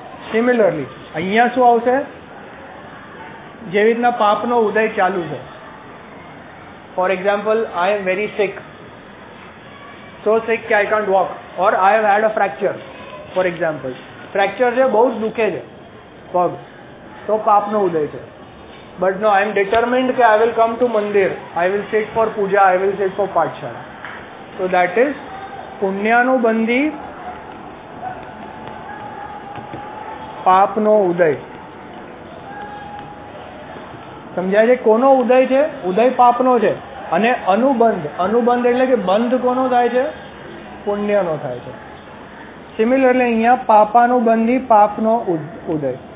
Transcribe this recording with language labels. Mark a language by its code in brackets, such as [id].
[en] similarly [gu] અહીંયા શું આવશે? જેવી રીતના પાપનો ઉદય ચાલુ છે, [en] for example I am very sick, so sick કે I can't walk, or I have had a fracture, for example fracture છે, [gu] બહુ જ દુખે છે પગ, તો પાપનો ઉદય છે. [en] But no, I am determined that I will come to Mandir. I will sit for Puja, I will sit for Paatshala. So that is [gu] Punyanu Bandhi, Paapno Uday. સમજાય છે કોનો ઉદય છે ઉદય પાપનો છે અને અનુબંધ અનુબંધ એટલે કે બંધ કોનો થાય છે પુણ્યનો થાય છે સિમિલર એટલે અહીંયા પાપાનો બંધી પાપનો ઉદય